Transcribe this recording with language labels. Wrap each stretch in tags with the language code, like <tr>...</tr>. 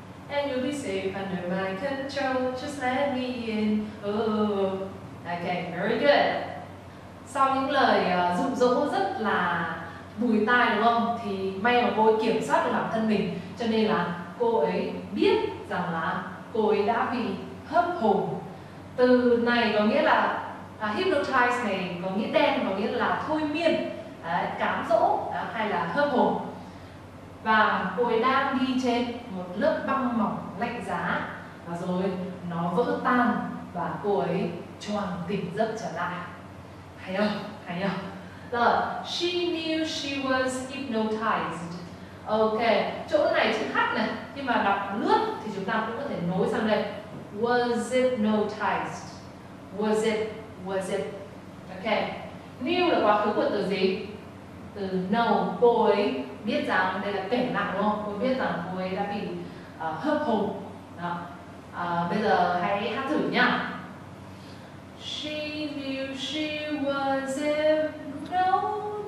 <en>And you'll be safe under my control, just let me in. Okay, very good.</en> <vi>Sau những lời dụ dỗ rất là bùi tai đúng không, thì may mà cô ấy kiểm soát được bản thân mình, cho nên là cô ấy biết rằng là cô ấy đã bị hấp hồn. Từ này có nghĩa là hypnotize này có nghĩa đen, có nghĩa là thôi miên, cám dỗ hay là hấp hồn. Và cô ấy đang đi trên một lớp băng mỏng lạnh giá, và rồi nó vỡ tan và cô ấy choàng tỉnh giấc trở lại. Hay không? Hay không?</vi> <en>The she knew she was hypnotized.</en> <vi>Ok, chỗ này chữ H này, nhưng mà đọc lướt thì chúng ta cũng có thể nối sang đây.</vi> <en>Was hypnotized. Was it?</en> <vi>Ok, knew là quá khứ của từ gì? Từ know, cô ấy biết rằng đây là kể lại đúng không? Cô ấy biết rằng cô ấy đã bị hấp hồn. Đó. Bây giờ hãy hát thử nhá.</vi> <en>She knew she was hypnotized.</en>